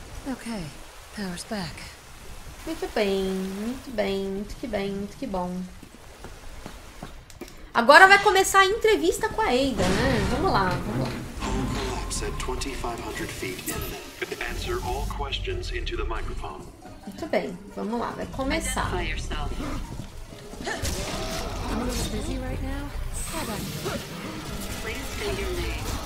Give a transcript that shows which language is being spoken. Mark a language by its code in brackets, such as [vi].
[en] Ok. Power's back. [pt] Muito bem, muito bem, muito que bem, muito que bom. Agora vai começar a entrevista com a Ada, né? Vamos lá, vamos lá. [en] 2500 feet. Answer all questions into the microphone. [pt] Muito bem, vamos lá, vai começar. [en] I'm a little busy right now. Please say your name.